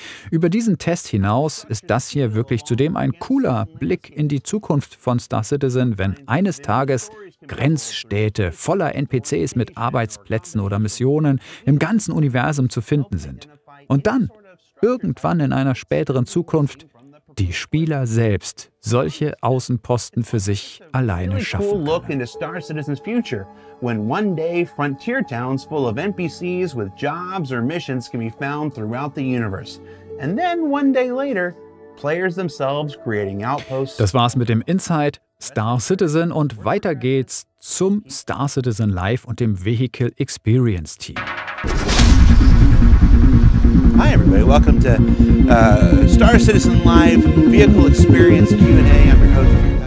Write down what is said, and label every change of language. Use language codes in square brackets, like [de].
[de] Über diesen Test hinaus ist das hier wirklich zudem ein cooler Blick in die Zukunft von Star Citizen, wenn eines Tages Grenzstädte voller NPCs mit Arbeitsplätzen oder Missionen im ganzen Universum zu finden sind. Und dann, irgendwann in einer späteren Zukunft, die Spieler selbst solche Außenposten für sich alleine schaffen können. [en] One day frontier towns full of NPCs with jobs or missions can be found throughout the universe. And then one day later, players themselves creating outposts. [de] Das war's mit dem Inside Star Citizen und weiter geht's zum Star Citizen Live und dem Vehicle Experience Team. [en] Hi everybody, welcome to Star Citizen Live Vehicle Experience Q&A. I'm your host.